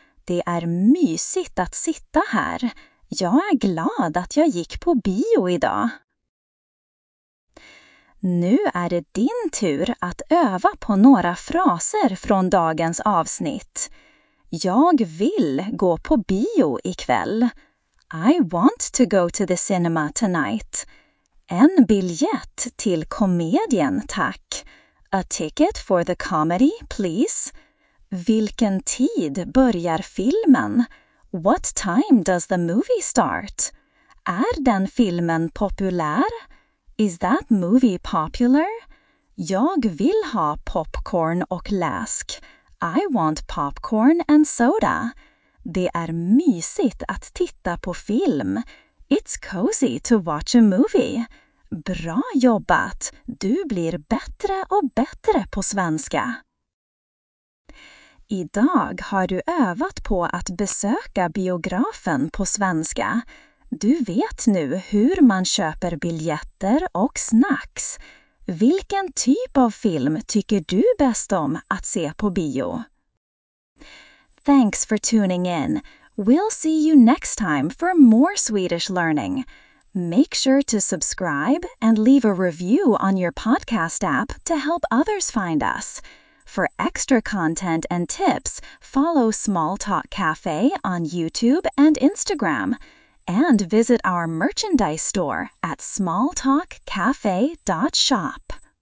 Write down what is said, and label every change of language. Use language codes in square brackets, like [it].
[sv] Det är mysigt att sitta här. Jag är glad att jag gick på bio idag. Nu är det din tur att öva på några fraser från dagens avsnitt. Jag vill gå på bio ikväll. [en] I want to go to the cinema tonight. [sv] En biljett till komedien, tack. [en] A ticket for the comedy, please. [sv] Vilken tid börjar filmen? [en] What time does the movie start? [sv] Är den filmen populär? [en] Is that movie popular? [sv] Jag vill ha popcorn och läsk. [en] I want popcorn and soda. [sv] Det är mysigt att titta på film. [en] It's cozy to watch a movie. [sv] Bra jobbat! Du blir bättre och bättre på svenska. Idag har du övat på att besöka biografen på svenska. Du vet nu hur man köper biljetter och snacks. Vilken typ av film tycker du bäst om att se på bio? [en] Thanks for tuning in. We'll see you next time for more Swedish learning. Make sure to subscribe and leave a review on your podcast app to help others find us. For extra content and tips, follow Small Talk Cafe on YouTube and Instagram, and visit our merchandise store at smalltalkcafe.shop.